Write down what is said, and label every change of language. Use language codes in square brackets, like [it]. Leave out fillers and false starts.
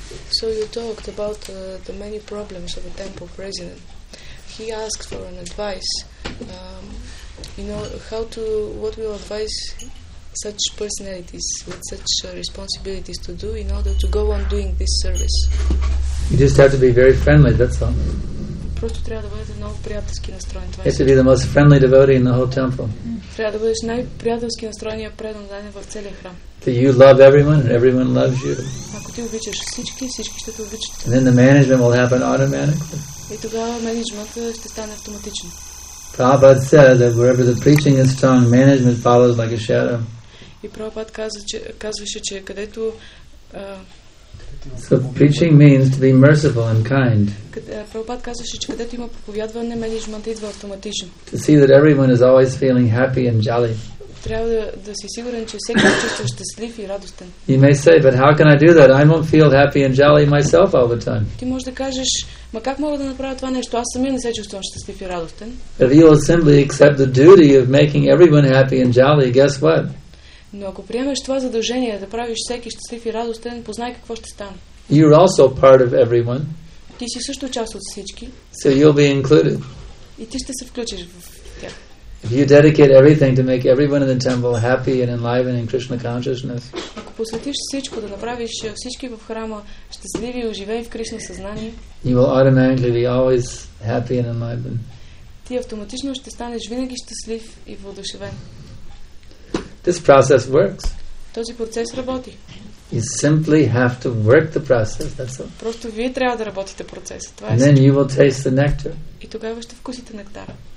[en] So you talked about the many problems of a temple president. He asked for an advice. What will advise such personalities with such responsibilities to do in order to go on doing this service? You just have to be very friendly, that's all. [bg] Просто трябва да бъдете много приятелски настроен. [en] You have to be the most friendly devotee in the whole temple. [bg] Трябва да бъдеш най-приятелски настроения преданен в целия храм. [en] That you love everyone and everyone loves you. [bg] Ако ти обичаш всички, всички ще те обичат. [en] And then the management will happen automatically. [bg] И тогава менеджментът ще стане автоматично. [en] Prabhupada said that wherever the preaching is strong, management follows like a shadow. [bg] И Prabhupada казваше, че където [en] So preaching means to be merciful and kind. [bg] Prabhupada казваше, че където има проповядване, менеджментът идва автоматично. [en] To see that everyone is always feeling happy and jolly. [bg] Трябва да си сигурен, че всеки се чувства щастлив и радостен. [en] You may say, but how can I do that? I won't feel happy and jolly myself all the time. [bg] Ти може да кажеш, ма как мога да направя това нещо? Аз самия не се чувствам щастлив и радостен. [en] If you will simply accept the duty of making everyone happy and jolly, guess what? [bg] Но ако приемеш това задължение да правиш всеки щастлив и радостен, познай какво ще стане. [en] You're also part of everyone. [bg] Ти си също част от всички. [en] So you'll be included. [bg] И ти ще се включиш в тях. [en] If you dedicate everything to make everyone in the temple happy and enlivened in Krishna consciousness. [bg] Ако посветиш всичко да направиш всички в храма щастливи и оживени в Кришна съзнание. [en] You will automatically be always happy and enlivened. [bg] Ти автоматично ще станеш винаги щастлив и въодушевен. [en] This process works. [bg] Този процес работи. [en] You simply have to work the process. That's all. [bg] Просто вие трябва да работите процеса. Това е. [en] And then you will taste the nectar. [bg] И тогава ще вкусите нектара.